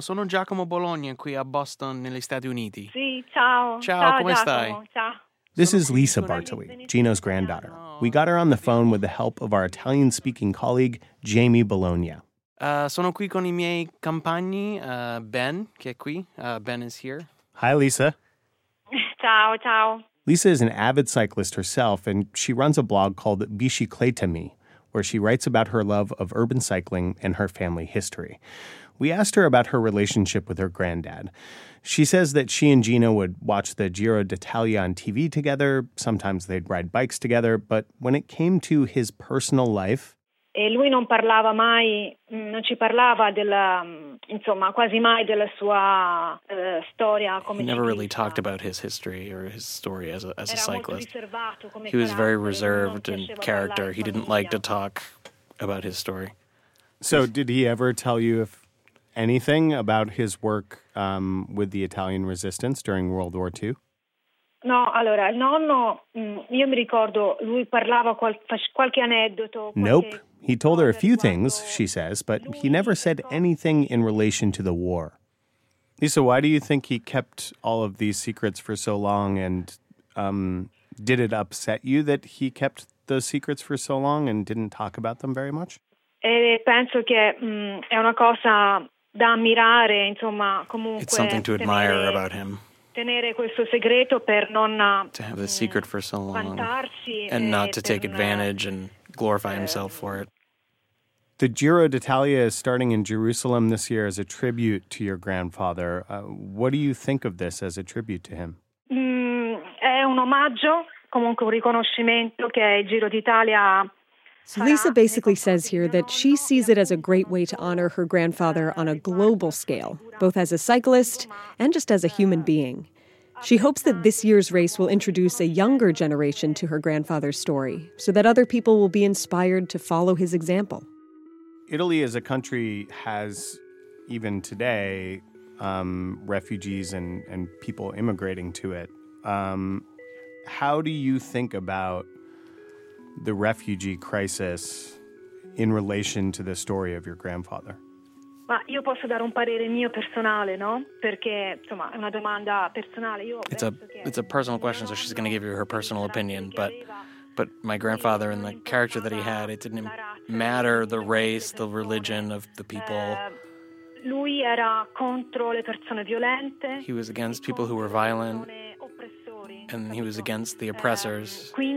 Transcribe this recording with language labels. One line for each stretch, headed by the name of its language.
Italian: Sono Giacomo Bologna qui a Boston, negli Stati Uniti. Sì, ciao. Ciao, come stai? Ciao.
English: This is Lisa Bartali, Gino's granddaughter. We got her on the phone with the help of our Italian-speaking colleague, Jamie Bologna.
Italian: Sono qui con I miei compagni, Ben, che è qui.
English: Ben is here. Hi, Lisa.
Italian: Ciao, ciao.
English: Lisa is an avid cyclist herself, and she runs a blog called Bicicletami, where she writes about her love of urban cycling and her family history. We asked her about her relationship with her granddad. She says that she and Gino would watch the Giro d'Italia on TV together. Sometimes they'd ride bikes together. But when it came to his personal life...
Italian: E lui non parlava mai, non ci parlava della, insomma, quasi mai della sua storia.
English: Come he never really talked about his history or his story as a cyclist.
Italian: Era molto riservato come
English: he was very reserved in character. He didn't like to talk about his story. So did he ever tell you if anything about his work with the Italian resistance during World War II?
Italian: No, allora, il nonno, io mi ricordo, lui parlava qualche aneddoto.
English: Nope. He told her a few things, she says, but he never said anything in relation to the war. Lisa, why do you think he kept all of these secrets for so long, and did it upset you that he kept those secrets for so long and didn't talk about them very much?
Italian: Penso che è una cosa da ammirare, insomma, comunque.
English: It's something to admire about him.
Italian: Tenere questo segreto per non,
English: to have the secret for so long
Italian: vantarsi,
English: and not to take advantage and glorify himself for it. The Giro d'Italia is starting in Jerusalem this year as a tribute to your grandfather. What do you think of this as a tribute to him?
Italian: È un omaggio, comunque un riconoscimento che il Giro d'Italia.
English: So Lisa basically says here that she sees it as a great way to honor her grandfather on a global scale, both as a cyclist and just as a human being. She hopes that this year's race will introduce a younger generation to her grandfather's story so that other people will be inspired to follow his example. Italy as a country has, even today, refugees and people immigrating to it. How do you think about the refugee crisis in relation to the story of your grandfather?
Italian: Ma io posso dare un parere mio personale, no? Perché, insomma, è una domanda personale.
English: It's a personal question, so she's going to give you her personal opinion. But But my grandfather and the character that he had, it didn't matter the race, the religion of the people. He was against people who were violent, and he was against the oppressors.